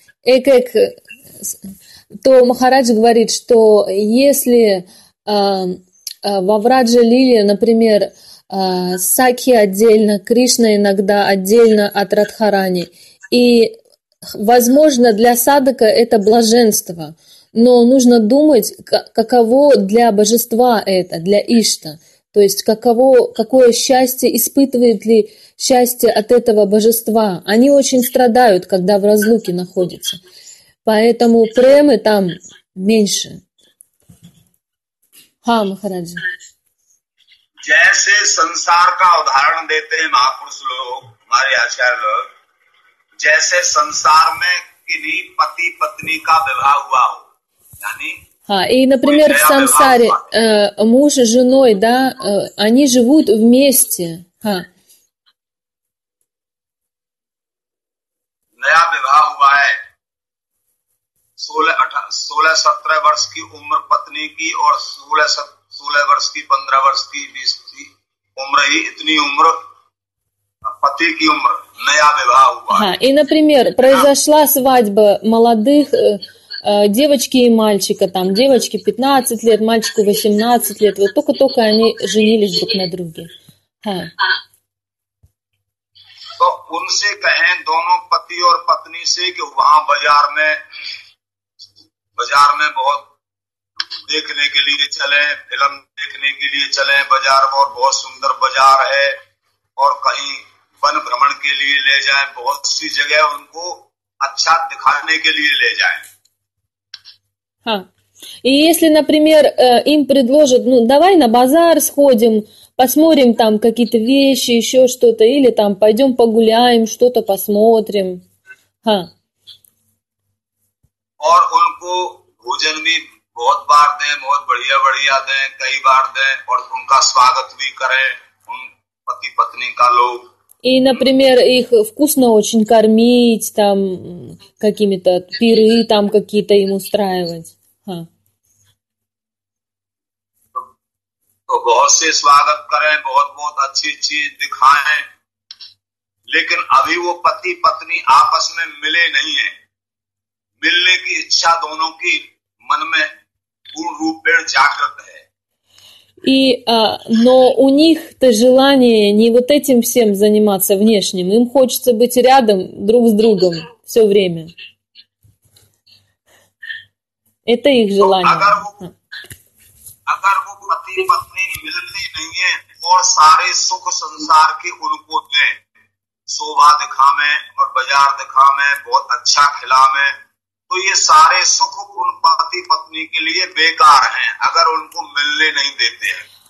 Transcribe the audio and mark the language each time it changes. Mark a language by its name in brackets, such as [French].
[Hindi] Ek to Maharaj [Russian] говорит, что если во Враджа Лиле, например, Сакхи отдельно, Кришна иногда отдельно от Радхарани, и возможно для садака это блаженство, но нужно думать, каково для божества это, для Ишта, то есть какое счастье испытывает ли счастье от этого божества. Они очень страдают, когда в разлуке находятся, поэтому премы там меньше. [Hindi] हां महाराज जैसे संसार का उदाहरण देते हैं महापुरुष लोग हमारे आचार्य लोग जैसे संसार में किसी पति पत्नी का विवाह हुआ हो यानी [Russian] हां и например в самсаре муж с женой да они живут вместе हां [Hindi] नया विवाह हुआ है 16-17 वर्ष की उम्र पत्नी की और 16 वर्ष की 15 वर्ष की 20 की उम्र ही इतनी उम्र पति की उम्र नया विवाह हुआ [Russian] हां и например произошла свадьба молодых девочки и мальчика там девочке 15 лет мальчику 18 лет вот только они женились друг на друге [Hindi] तो उनसे कहें दोनों पति और पत्नी से कि वहां बाजार में बहुत देखने के लिए चलें फिल्म देखने के लिए चलें बाजार और बहुत सुंदर बाजार है और कहीं वन भ्रमण के लिए ले जाएं बहुत सी जगह उनको अच्छा दिखाने के लिए ले जाएं [Russian] हां и если например им предложат ну давай на базар сходим посмотрим там какие-то вещи ещё что-то или там пойдём погуляем что-то посмотрим [Hindi] और उनको भोजन भी बहुत बार दें बहुत बढ़िया-बढ़िया दें कई बार दें और उनका स्वागत भी करें उन पति पत्नी का लोग [Russian] и например их вкусно очень кормить там какими-то пиры там какие-то им устраивать [Hindi] तो बहुत से स्वागत करें बहुत-बहुत अच्छी-अच्छी दिखाएं लेकिन अभी वो पति पत्नी आपस में मिले नहीं है मिलने की इच्छा दोनों की मन में पूर्ण रूप में जागृत है [Russian] и но у них-то желание не вот этим всем заниматься внешним им хочется быть рядом друг с другом всё время это их желание [Hindi] अगर वो पति पत्नी मिलने नहीं है और सारे सुख संसार के उनको दे शोभा दिखा में और बाजार दिखा में बहुत अच्छा खिला में तो ये सारे सुख उन पति पत्नी के लिए बेकार हैं अगर उनको मिलने नहीं देते हैं